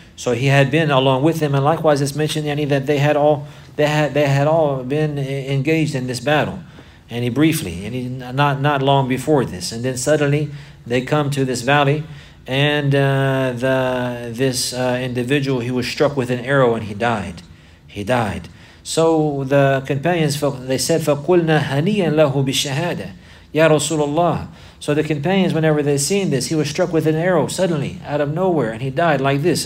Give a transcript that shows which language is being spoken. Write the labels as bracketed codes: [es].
[en] So he had been along with them, and likewise it's mentioned, that they had all been engaged in this battle, not long before this. And then suddenly they come to this valley, and this individual, he was struck with an arrow and he died. So the companions, they said, [ar] فَقُلْنَا هَنِيًّا لَهُ بِالشَّهَادَةِ يَا رَسُولَ اللَّهِ. [en] So the companions, whenever they seen this, he was struck with an arrow suddenly out of nowhere, and he died like this.